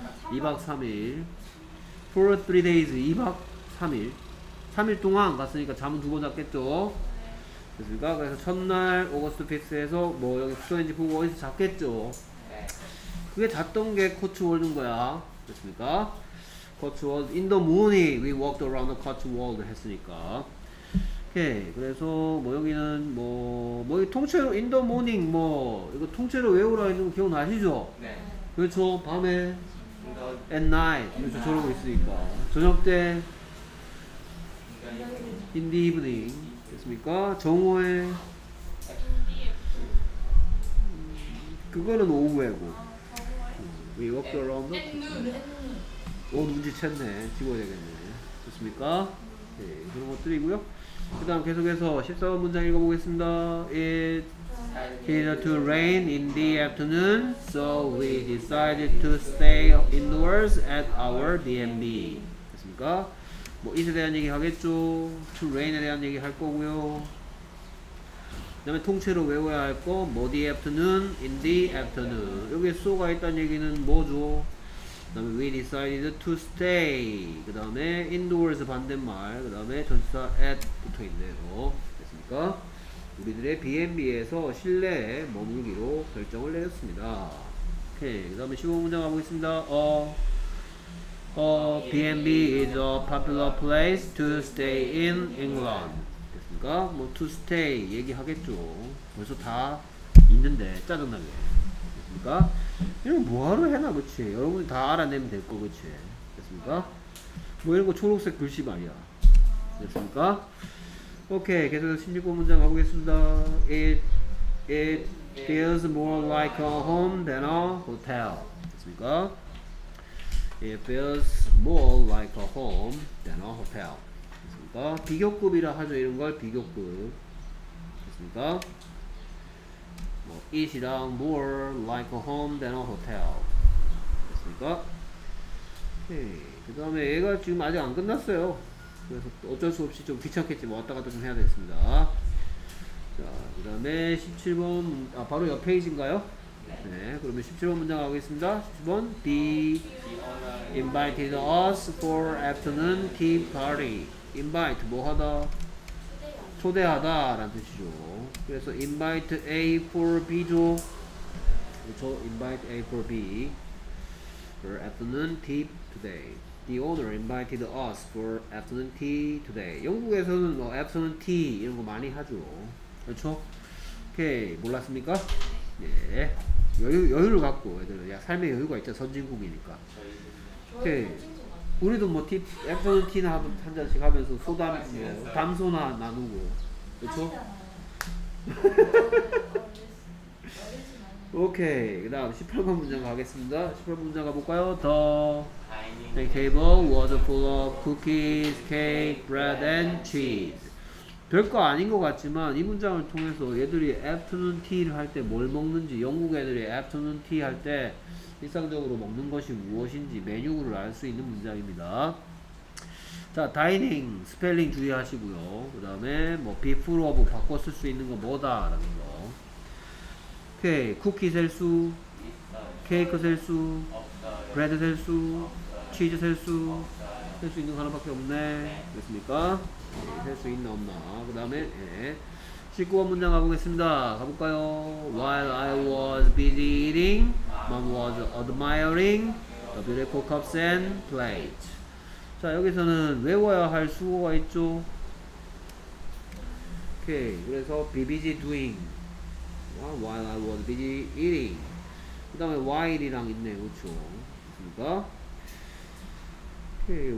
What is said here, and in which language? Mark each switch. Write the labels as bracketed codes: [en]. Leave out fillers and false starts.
[ko] 2박 3일. [en] For 3 days. [ko] 2박 3일. 3일 동안 갔으니까 잠은 두 번 잤겠죠? 네. 그래서 첫날 오거스트 픽스에서 뭐 여기 스톤헨지 보고 어디서 잤겠죠? 네. 그게 잤던 게 코츠월드인 거야. 됐습니까? [en] 코츠월드 in the morning we walked around the Cotswolds [ko] 했으니까. 오케이. 그래서 뭐 여기는 뭐 여기 통째로 [en] in the morning [ko] 뭐 이거 통째로 외우라 했는 거 기억나시죠? 네. 그렇죠. 밤에 [en] the, at night [ko] 이렇게 저러고 있으니까 저녁 때 [en] in the evening [ko] 됐습니까? 정오에 그거는 오후에고 [en] we walked around the cotswolds. [ko] 오 눈치챘네. 찍어야 되겠네. 좋습니까? 네, 그런 것들이고요. 그 다음 계속해서 14번 문장 읽어보겠습니다. [en] It began to rain in the afternoon so we decided to stay indoors at our DMB. [ko] 됐습니까? 뭐 it에 대한 얘기 하겠죠. to rain에 대한 얘기 할 거고요. 그 다음에 통째로 외워야 할 거 뭐 [en] the afternoon? in the afternoon. [ko] 여기에 so가 있다는 얘기는 뭐죠? 그 다음에 [en] we decided to stay. [ko] 그 다음에 indoors 반대말. 그 다음에 전치사 at 붙어있네요. 됐습니까? 우리들의 B&B에서 실내에 머물기로 결정을 내렸습니다. 오케이. 그 다음에 15번 문장 가보겠습니다. [en] B&B is a popular place to stay in England. [ko] 됐습니까? 뭐 to stay 얘기하겠죠. 벌써 다 있는데 짜증나게. 됐습니까? 이런 뭐하러 해나 그치? 여러분이 다 알아내면 될 거 그치? 됐습니까? 뭐 이런 거 초록색 글씨 말이야. 됐습니까? 오케이. 계속해서 16번 문장 가보겠습니다. [en] It feels more like a home than a hotel. [ko] 됐습니까? [en] It feels more like a home than a hotel. [ko] 됐습니까? 비교급이라 하죠. 이런 걸 비교급. 됐습니까? 뭐, it이랑 [en] more like a home than a hotel. [ko] 됐습니까? 오케이. 그 다음에 얘가 지금 아직 안 끝났어요. 그래서 어쩔 수 없이 좀 귀찮겠지만 왔다 갔다 좀 해야 되겠습니다. 자, 그 다음에 17번, 아, 바로 옆 페이지인가요? 네, 그러면 17번 문장 가겠습니다. [en] 17번 He invited us for afternoon tea party. [ko] Invite 뭐하다? 초대하다 라는 뜻이죠. 그래서 [en] invite A for B죠. [ko] 그렇죠. [en] Invite A for B for afternoon tea today. The owner invited us for afternoon tea today. [ko] 영국에서는 뭐 afternoon tea 이런 거 많이 하죠. 그렇죠? 오케이. 몰랐습니까? 네. 여유를 갖고 애들은 야 삶에 여유가 있잖아. 선진국이니까. 오케이. 우리도 뭐 팁 애플 티나 한 잔씩 하면서 소담 뭐 담소나 나누고 그렇죠? 오케이. 그다음 18번 문장 가겠습니다. 18번 문장 가볼까요? [en] The table was full of cookies, cake, bread and cheese. [ko] 될 거 아닌 것 같지만 이 문장을 통해서 얘들이 afternoon tea를 할 때 뭘 먹는지 영국 애들이 afternoon tea 할 때 일상적으로 먹는 것이 무엇인지 메뉴를 알 수 있는 문장입니다. 자, dining 스펠링 주의하시고요. 그 다음에 뭐 beef of 바꿔 쓸 수 있는 거 뭐다 라는 거. 오케이. 쿠키 셀 수? 케이크 셀 수? 브레드 셀 수? 치즈 셀 수? 셀 수 있는 거 하나밖에 없네. 됐습니까? 네, 셀 수 있나 없나. 그 다음에 네. 19번 문장 가보겠습니다. 가볼까요? [en] While I was busy eating, Mom was admiring the beautiful cups and plates. [ko] 자, 여기서는 외워야 할 수어가 있죠. 오케이. 그래서 [en] be busy doing. While I was busy eating. [ko] 그 다음에 while이랑 있네. 그쵸? 그니까 Okay.